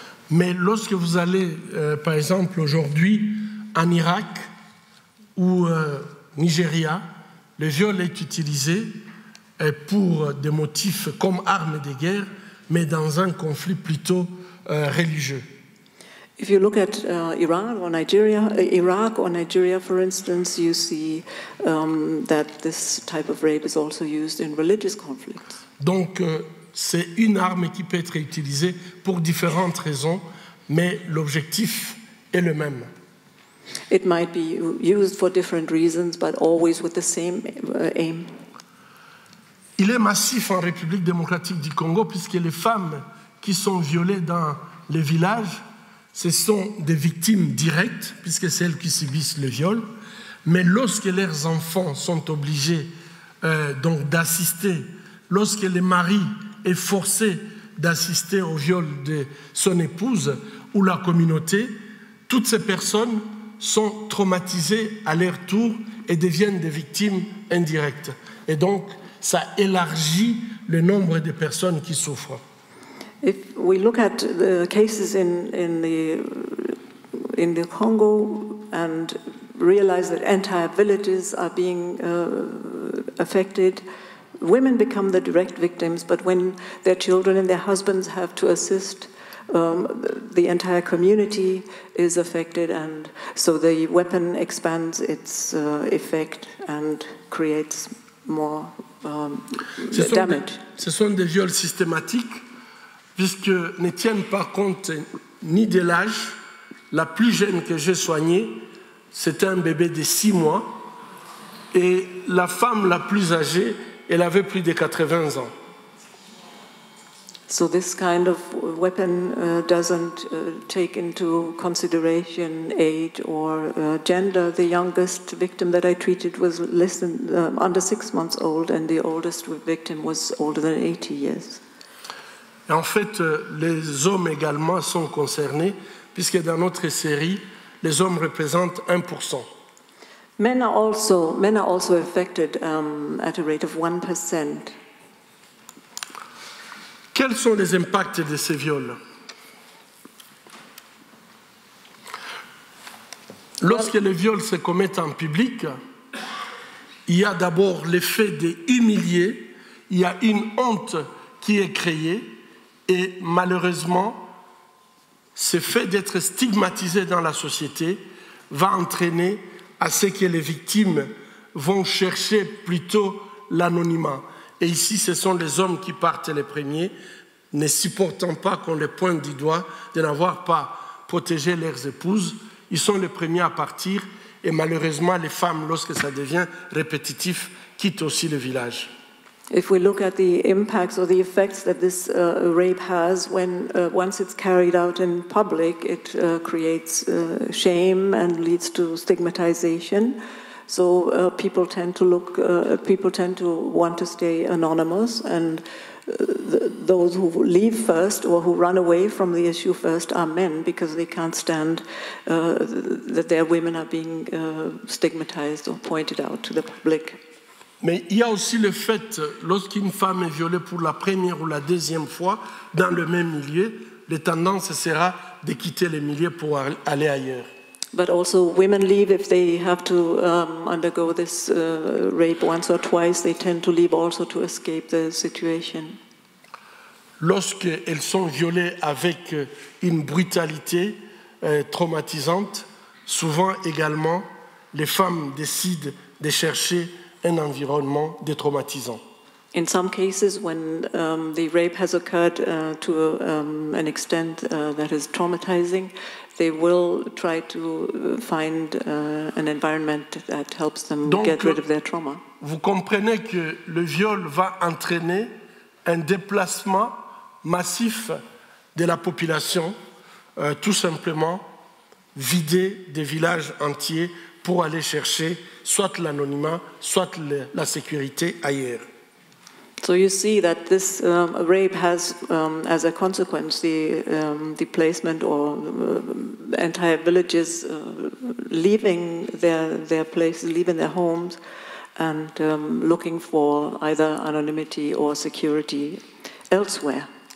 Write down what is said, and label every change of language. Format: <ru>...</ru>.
<fr>Mais lorsque vous allez, par exemple, aujourd'hui, en Irak, ou Nigeria, le viol est utilisé pour des motifs comme arme de guerre, mais dans un conflit plutôt religieux.</fr> <en>If you look at Iran or Nigeria, Iraq or Nigeria, for instance, you see that this type of rape is also used in religious conflicts.</en> <fr>Donc, c'est une arme qui peut être utilisée pour différentes raisons, mais l'objectif est le même.</fr> <en>It might be used for different reasons, but always with the same aim.</en> <fr>Il est massif en République démocratique du Congo, puisque les femmes qui sont violées dans les villages, ce sont des victimes directes, puisque c'est elles qui subissent le viol. Mais lorsque leurs enfants sont obligés donc d'assister, lorsque le mari est forcé d'assister au viol de son épouse ou la communauté, toutes ces personnes sont traumatisés à leur tour et deviennent des victimes indirectes. Et donc, ça élargit le nombre de personnes qui souffrent.</fr> <en>If we look at the cases in the Congo and realize that entire villages are being affected, women become the direct victims, but when their children and their husbands have to assist, the entire community is affected, and so the weapon expands its effect and creates more damage.</en> <fr>Ce sont des viols systématiques, puisque ne tiennent par compte ni de l'âge. La plus jeune que j'ai soignée, c'était un bébé de 6 mois, et la femme la plus âgée, elle avait plus de 80 ans.</fr> <en>So this kind of weapon doesn't take into consideration age or gender. The youngest victim that I treated was less than under 6 months old, and the oldest victim was older than 80 years.</en> <fr>Et en fait, les hommes également sont concernés, puisque dans notre série, les hommes représentent 1%.</fr> <en>Men are also affected at a rate of 1%.</en> <fr>Quels sont les impacts de ces viols? Lorsque les viols se commettent en public, il y a d'abord l'effet d'humilier, il y a une honte qui est créée, et malheureusement, ce fait d'être stigmatisé dans la société va entraîner à ce que les victimes vont chercher plutôt l'anonymat. Et ici, ce sont les hommes qui partent les premiers, ne supportant pas qu'on les pointe du doigt de n'avoir pas protégé leurs épouses. Ils sont les premiers à partir et malheureusement les femmes, lorsque ça devient répétitif, quittent aussi le village.</fr> <en>If we look at the impacts or the effects that this rape has, when once it's carried out in public, it creates shame and leads to stigmatization. So people tend to look, people tend to want to stay anonymous, and those who leave first or who run away from the issue first are men, because they can't stand that their women are being stigmatized or pointed out to the public.</en> <fr>Mais il y a aussi le fait, lorsqu'une femme est violée pour la première ou la deuxième fois dans le même milieu, la tendance sera de quitter le milieu pour aller ailleurs.</fr> <en>But also women leave if they have to undergo this rape once or twice, they tend to leave also to escape the situation.</en> <fr>Lorsqu'elles sont violées avec une brutalité traumatisante, souvent également, les femmes décident de chercher un environnement détraumatisant.</fr> <en>In some cases, when the rape has occurred to an extent that is traumatizing, they will try to find an environment that helps them get rid of their trauma.</en> <fr>Vous comprenez que le viol va entraîner un déplacement massif de la population, tout simplement vider des villages entiers pour aller chercher soit l'anonymat, soit la sécurité ailleurs.</fr> <en>So you see that this rape has, as a consequence, the displacement or entire villages leaving their places, leaving their homes, and looking for either anonymity or security elsewhere.</en>